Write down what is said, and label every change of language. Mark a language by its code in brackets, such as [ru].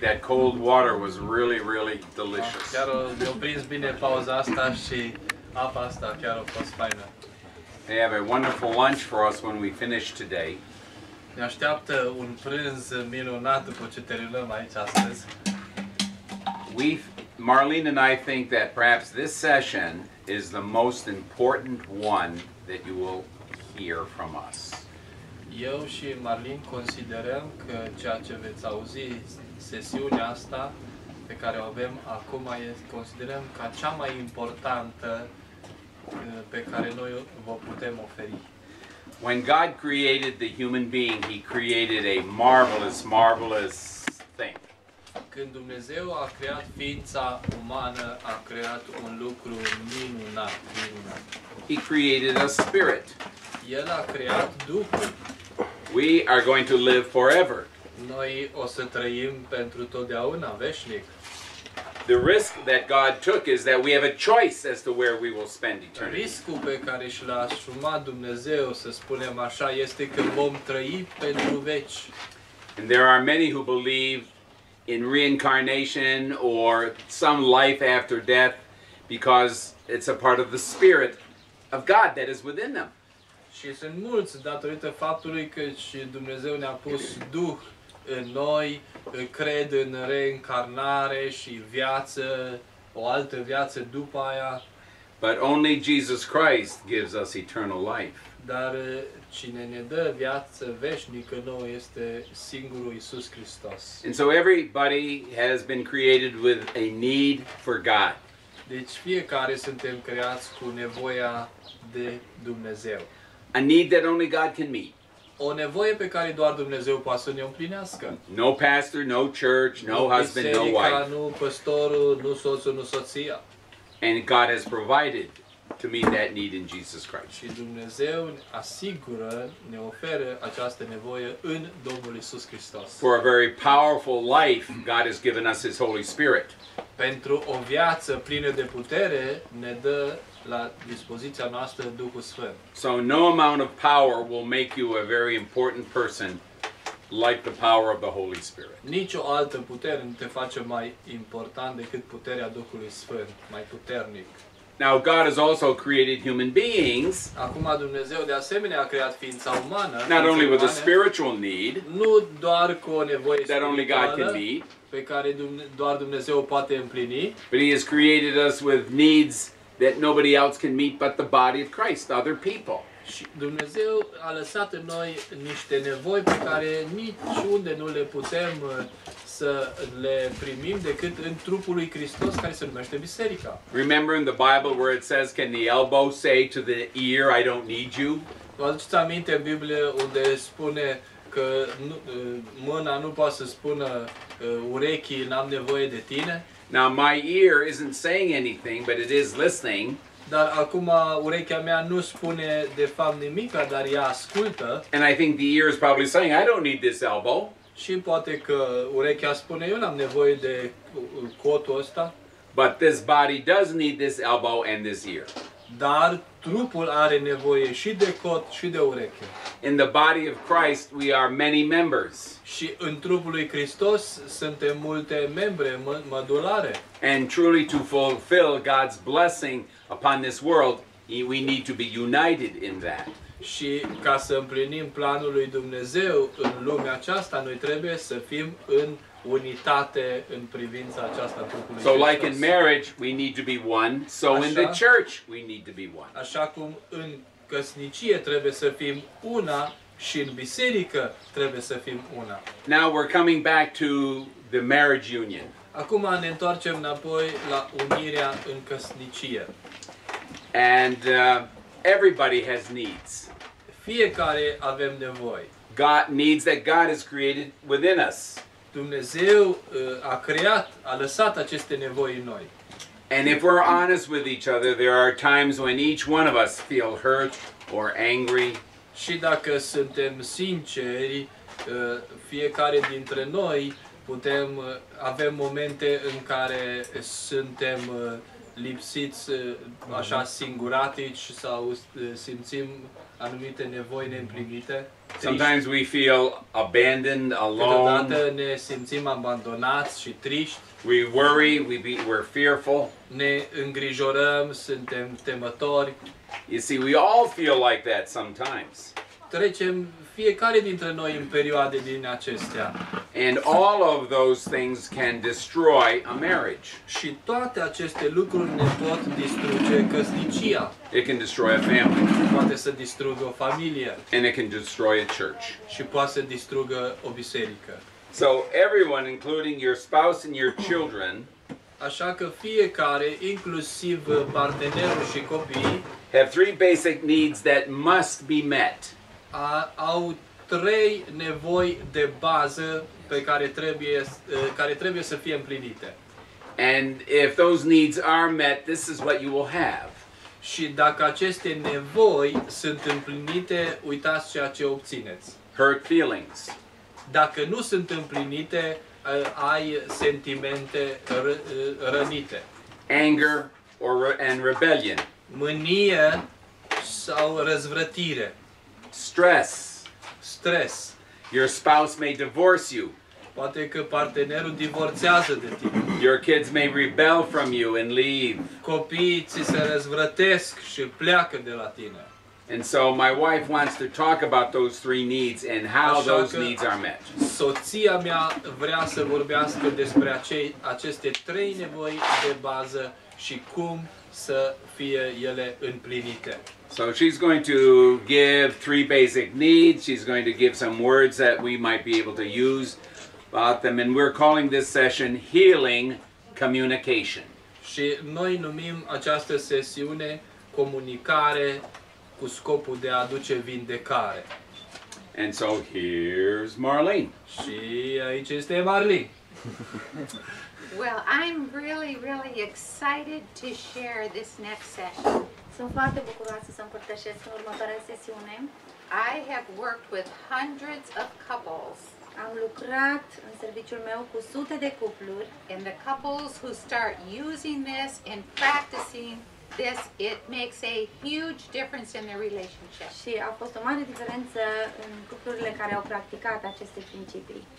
[en] That cold water was really, really delicious. [ro] Chiar mi-a prins bine pauza asta și apa asta chiar a fost faină. [en] They have a wonderful lunch for us when we finish today. [ro] Ne așteaptă un prânz minunat după ce terminăm aici astăzi. [en] Marlene and I think that perhaps this session is the most important one that you will hear from us. [ro] Eu și Marlene considerăm că ceea ce veți auzi sesiunea asta pe care o avem acum considerăm ca cea mai importantă pe care noi vă putem oferi. [en] When God created the human being, he created a marvelous, marvelous thing. [ro] Când Dumnezeu a creat ființa umană, a creat un lucru minunat, minunat. [en] He created a spirit. [ro] El a creat Duhul. [en] We are going to live forever. [ro] Noi o să trăim pentru totdeauna, veșnic. [en] The risk that God took is that we have a choice as to where we will spend eternity. [ro] Riscul pe care și l-a asumat Dumnezeu, să spunem așa, este că vom trăi pentru veci. [en] And there are many who believe in reincarnation or some life after death because it's a part of the spirit of God that is within them. [ro] Și sunt mulți datorită faptului că și Dumnezeu ne-a pus Duh în noi, cred în reîncarnare și viață, o altă viață după aia. [en] But only Jesus Christ gives us eternal life. [ro] Dar cine ne dă viață veșnică nouă este singurul Iisus Hristos. [en] And so everybody has been created with a need for God. [ro] Deci fiecare suntem creați cu nevoia de Dumnezeu. [en] A need that only God can meet. [ro] O nevoie pe care doar Dumnezeu poate să ne împlinească. [en] No pastor, no church, no [ro] biserica, [en] husband, no wife. [ro] Nu pastorul, nu soțul, nu soția. [en] And God has provided to meet that need in Jesus Christ. [ro] Și Dumnezeu asigură, ne oferă această nevoie în Domnul Iisus Hristos. [en] For a very powerful life, God has given us his Holy Spirit. [ro] Pentru o viață plină de putere, ne dă la dispoziția noastră Duhul Sfânt. [en] So no amount of power will make you a very important person like the power of the Holy Spirit. [ro] Nicio altă putere nu te face mai important decât puterea Duhului Sfânt, mai puternic. [en] Now God has also created human beings. [ro] Acum Dumnezeu de asemenea a creat ființa umană. [en] Not only with a spiritual need. [ro] Nu doar cu o nevoie spirituală. [en] That only God can meet. [ro] Pe care doar Dumnezeu o poate împlini. [en] But he has created us with needs that nobody else can meet but the body of Christ, other people. [ro] Dumnezeu a lăsat în noi niște nevoi pe care niciunde nu le putem să le primim decât în trupul lui Hristos care se numește biserica. [en] Remember in the Bible where it says, can the elbow say to the ear, I don't need you? [ro] Vă aduceți aminte în Biblie unde spune că mâna nu poate să spună urechii, n-am nevoie de tine? [en] Now my ear isn't saying anything, but it is listening. [ro] Dar acum urechea mea nu spune de fapt nimic, dar ea ascultă. [en] And I think the ear is probably saying, I don't need this elbow. [ro] Și poate că urechea spune, eu n-am nevoie de cotul ăsta. [en] But this body does need this elbow and this ear. [ro] Dar trupul are nevoie și de cot și de ureche. [en] In the body of Christ we are many members. [ro] Și în trupul lui Hristos suntem multe membre mădulare. [en] And truly to fulfill God's blessing upon this world, we need to be united in that. [ro] Și ca să împlinim planul lui Dumnezeu în lumea aceasta, noi trebuie să fim în unitate în privința aceasta trupului Hristos. [en] So like in marriage we need to be one, so [ro] așa, [en] in the church we need to be one. [ro] Așa cum în căsnicie trebuie să fim una și în biserică trebuie să fim una. [en] Now we're coming back to the marriage union. [ro] Acum ne întoarcem înapoi la unirea în căsnicie. [en] And everybody has needs. [ro] Fiecare avem nevoi. [en] God needs that God has created within us. [ro] Dumnezeu a creat, a lăsat aceste nevoi în noi. [en] And if we're honest with each other, there are times when each one of us feel hurt or angry. [ro] Și dacă suntem sinceri, fiecare dintre noi putem avem momente în care suntem lipsiți, așa singuratici sau simțim anumite nevoi neîmplinite. [en] Sometimes we feel abandoned, alone. [ro] Câteodată ne simțim abandonați și triști. [en] We worry, we're fearful. [ro] Ne îngrijorăm, suntem temători. [en] You see, we all feel like that sometimes. [ro] Trecem fiecare dintre noi în perioade din acestea. [en] And all of those things can destroy a marriage. [ro] Și toate aceste lucruri ne pot distruge căsnicia. [en] It can destroy a family. [ro] Poate să distrugă o familie. [en] And it can destroy a church. [ro] Și poate să distrugă o biserică. [en] So everyone, including your spouse and your children, [ro] așa că fiecare, inclusiv partenerul și copiii, [en] have three basic needs that must be met. [ro] Au trei nevoi de bază pe care trebuie să fie împlinite. [en] And if those needs are met, this is what you will have. [ro] Și dacă aceste nevoi sunt împlinite, uitați ceea ce obțineți. [en] Hurt feelings. [ro] Dacă nu sunt împlinite, ai sentimente rănite. [en] Anger and rebellion. [ro] Mânie sau răzvrătire. [en] Stress. Your spouse may divorce you. [ro] Poate că partenerul divorțează de tine. [en] Your kids may rebel from you and leave. [ro] Copiii ți se răzvrătesc și pleacă de la tine. [en] And so my wife wants to talk about those three needs and how [ro] așa [en] those needs are met. [ro] Soția mea vrea să vorbească despre aceste trei nevoi de bază și cum să fie ele împlinite. [en] So she's going to give three basic needs. She's going to give some words that we might be able to use about them. And we're calling this session Healing Communication. [ro] Și noi numim această sesiune Comunicare cu scopul de a aduce vindecare. [en] And so here's Marlene. [ro] Și aici este Marlene. [en] Well, I'm really, really excited to share this next session. [ro] Sunt foarte bucuroasă să împărtășesc în următoarea sesiune. [en] I have worked with hundreds of couples. [ro] Am lucrat în serviciul meu cu sute de cupluri. [en] And the couples who start using this and practicing this, it makes a huge difference in their relationship. [ro] Și a fost o mare diferență în cuplurile care au practicat aceste principii.